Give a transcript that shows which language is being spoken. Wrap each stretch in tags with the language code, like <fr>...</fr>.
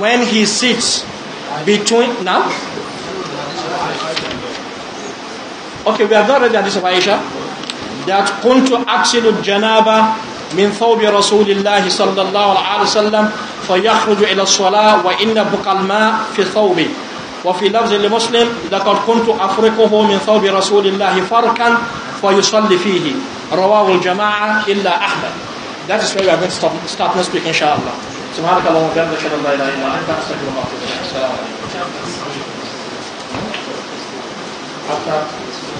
<en>When he sits between now, okay, we have not read the hadith of Aisha that</en> <ar>كنت أغسل الجنابة من ثوب رسول الله صلى الله عليه وسلم فيخرج إلى الصلاة وإن بقى الماء في ثوبي. وفي لفظ لمسلم لقد كنت أفرقه من ثوب رسول الله فرقا فيصلي فيه. رواه الجماعة إلا أحمد.</ar> <en>That is where we are going to start next week, inshallah.</en> <ar>سبحانك اللهم وبحمدك أشهد أن لا إله إلا أنت أستغفرك وأتوب إليك. السلام عليكم.</ar>